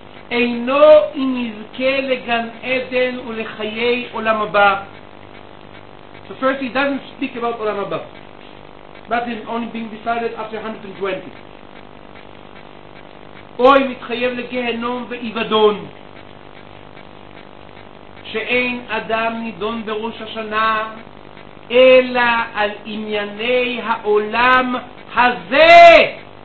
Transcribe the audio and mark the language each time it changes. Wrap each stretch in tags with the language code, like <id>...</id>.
<he>אינו יזכה לגן עדן ולחיי עולם הבא.</he> <en>So first, he doesn't speak about עולם הבא. That is only being decided after 120.</en> <he>אוי מתחייב לגהנום ואיבדון, שאין אדם נידון בראש השנה, אלא על ענייני העולם הזה.</he>